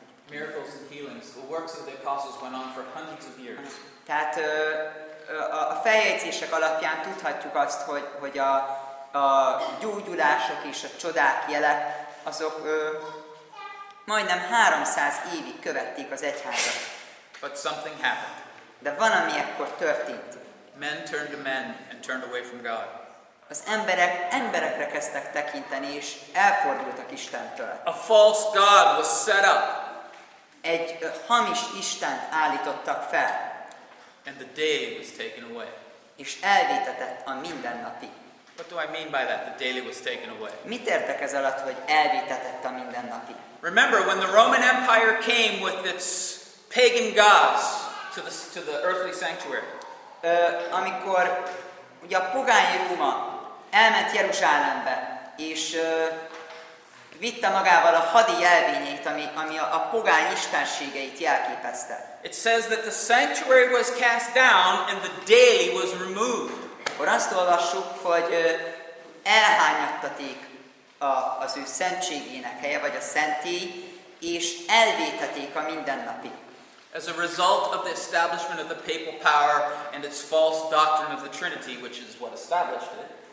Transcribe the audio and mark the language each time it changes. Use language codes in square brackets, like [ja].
[en] Miracles and healings, the works of the apostles went on for hundreds of years. [hu] Tehát a feljegyzések alapján tudhatjuk azt, hogy a gyógyulások és a csodák jelek, azok majdnem 300 évig követték az egyházat. [en] But something happened. [hu] De valami ekkor történt. [en] Men turned to men and turned away from God. [hu] Az emberek emberekre kezdtek tekinteni és elfordultak Istentől. [en] A false god was set up. [hu] Egy hamis istent állítottak fel. [en] And the daily was taken away. [hu] És elvétetett a mindennapi. [en] What do I mean by that? The daily was taken away. [hu] Mit értek ez alatt, hogy elvétetett a mindennapi? [en] Remember when the Roman Empire came with its pagan gods to the earthly sanctuary. [hu] Amikor ugye a pogány Róma elment Jeruzsálembe és vitte magával a hadi jelvényét, ami a pogány istenségeit jelképezte. [en] It says that the sanctuary was cast down and the daily was removed. [hu] Akkor azt olvassuk, hogy elhányattatik az ő szentségének helye, vagy a szentély, és elvétetik a mindennapi. [en] As a result of the establishment of the papal power and its false doctrine of the Trinity, which is what established it.